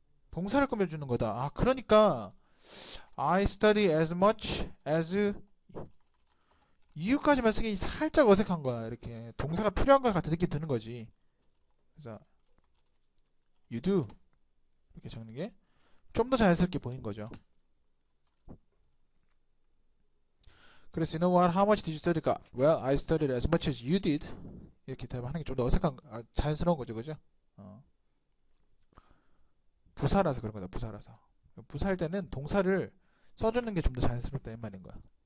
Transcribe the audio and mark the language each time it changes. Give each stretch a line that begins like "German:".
Korean: 동사를 꾸며주는 거다. 아, 그러니까
English: I study as much as you
Korean: 까지만 쓰기 살짝 어색한 거야. 이렇게 동사가 필요한 것 같은 느낌 드는 거지. 그래서
English: you do
Korean: 이렇게 적는 게좀더 자연스럽게 보인 거죠. 그래서
English: you know what? How much did you study? Well, I studied as much as you did.
Korean: 이렇게 되면 하는 게좀더 어색한, 자연스러운 거죠, 그죠? 부사라서 그런 거다, 부사라서. 부사일 때는 동사를 써주는 게좀더 자연스럽다, 이 말인 거야.